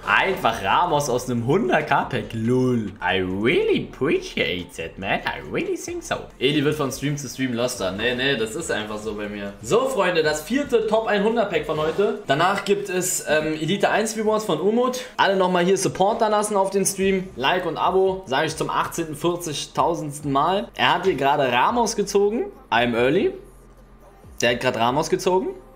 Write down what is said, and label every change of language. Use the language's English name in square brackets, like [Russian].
[German] Einfach Ramos aus einem 100k-Pack, lul. [English] I really appreciate it, man, I really think so. [German] Eli wird von Stream zu Stream loster, nee, das ist einfach so bei mir. So, Freunde, das vierte Top 100-Pack von heute. Danach gibt es Elite 1 Rewards von Umut. Alle nochmal hier Support da lassen auf den Stream, Like und Abo, sage ich zum 40.000. Mal. Er hat hier gerade Ramos gezogen. [English] I'm early. [German] Der hat gerade Ramos gezogen.